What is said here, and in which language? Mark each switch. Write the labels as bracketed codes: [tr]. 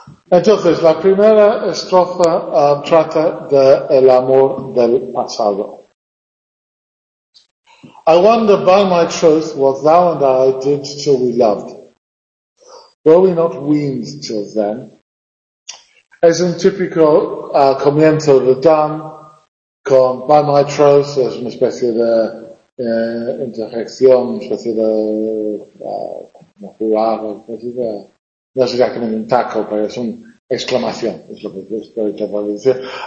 [es] Entonces, la primera estrofa trata del amor del pasado. [en] I wonder by my truth what thou and I did till we loved. Were we not weaned till then? [es] Es un típico comienzo de Dan con [en] By My Truth, [es] es una especie de interjección, una especie de jurado, no sé si es un taco, pero es una exclamación, es lo que estoy tratando de decir.